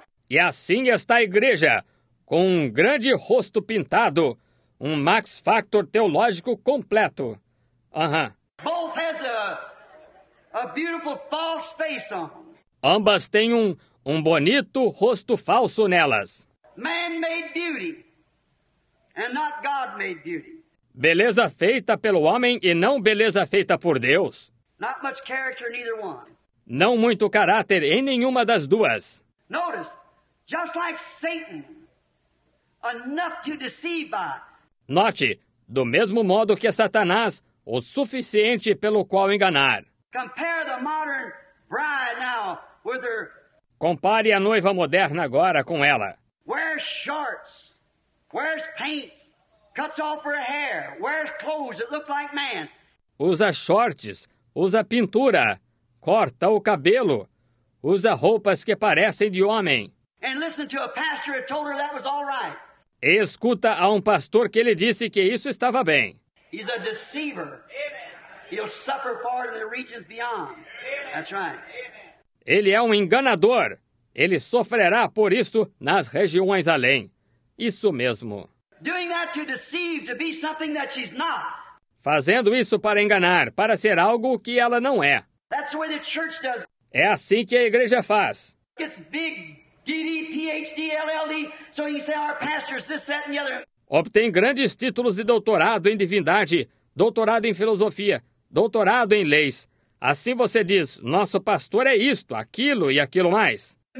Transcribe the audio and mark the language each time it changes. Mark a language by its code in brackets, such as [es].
[pt] E assim está a igreja, com um grande rosto pintado, um Max Factor teológico completo. [en] Both has a beautiful false face on. [pt] Ambas têm um bonito rosto falso nelas. [en] Man-made beauty and not God-made beauty. [pt] Beleza feita pelo homem e não beleza feita por Deus. [en] Not much character in either one. [pt] Não muito caráter em nenhuma das duas. [en] Notice, just like Satan, enough to deceive by. [pt] Note, do mesmo modo que Satanás, o suficiente pelo qual enganar. [en] Compare the modern bride now with her. [pt] Compare a noiva moderna agora com ela. [en] Wears shorts, wears pants, cuts off her hair, wears clothes that look like man. [pt] Usa shorts, usa pintura, corta o cabelo, usa roupas que parecem de homem. [en] And listen to a pastor who told her that was all right. [pt] E escuta a um pastor que lhe disse que isso estava bem. [en] He's a deceiver. Amen. He'll suffer far in the regions beyond. Amen. That's right. Amen. [pt] Ele é um enganador. Ele sofrerá por isto nas regiões além. Isso mesmo. [en] Doing that to deceive, to be something that she's not. [pt] Fazendo isso para enganar, para ser algo que ela não é. [en] That's the way the church does. [pt] É assim que a igreja faz. [en] It's big, D.D., Ph.D., LL.D., so you say our pastors, this, that, and the other. [pt] Obtém grandes títulos de doutorado em divindade, doutorado em filosofia, doutorado em leis. Assim você diz, nosso pastor é isto, aquilo e aquilo mais.